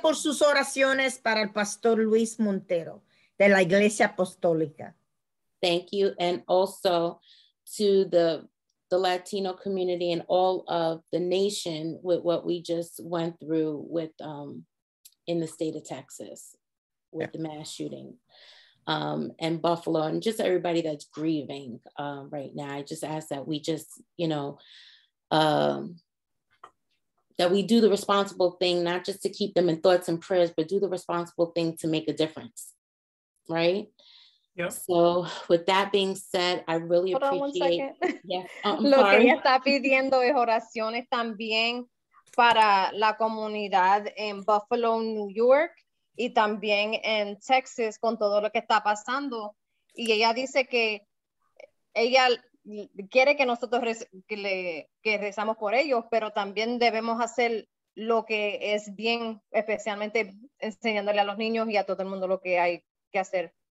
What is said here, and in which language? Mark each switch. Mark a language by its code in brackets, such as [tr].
[es] Por sus oraciones para el Pastor Luis Montero de la Iglesia Apostólica. [en] Thank you. And also to the Latino community and all of the nation with what we just went through with in the state of Texas with the mass shooting. And Buffalo and just everybody that's grieving right now. I just ask that we just, you know, that we do the responsible thing, not just to keep them in thoughts and prayers, but do the responsible thing to make a difference, right? Yep. So with that being said, I really hold appreciate- Hold on one second. Yeah. [es] Lo [en] sorry. [es] Que ella está pidiendo es oraciones también para la comunidad en Buffalo, New York. Y también en Texas con todo lo que está pasando. Y ella dice que ella quiere que nosotros que rezamos por ellos, pero también debemos hacer lo que es bien, especialmente enseñándole a los niños y a todo el mundo lo que hay que hacer.